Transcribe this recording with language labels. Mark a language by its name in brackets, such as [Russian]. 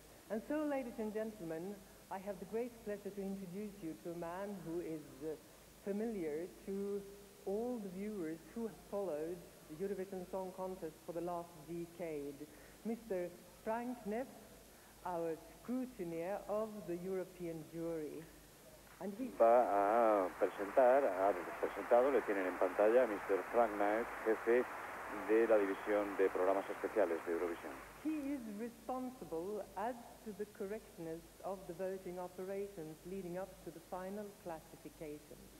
[English] And so, ladies and gentlemen, I have the great pleasure to introduce you to a man who is familiar to all the viewers who have followed the Eurovision Song Contest for the last decade, Mr. Frank Neff, our scrutineer of the European jury. And he [Spanish] va a presentar, ha presentado, le tienen en pantalla, a Mr. Frank Neff, jefe de la división de programas especiales de Eurovision. [English] He is responsible as to the correctness of the voting operations leading up to the final classification.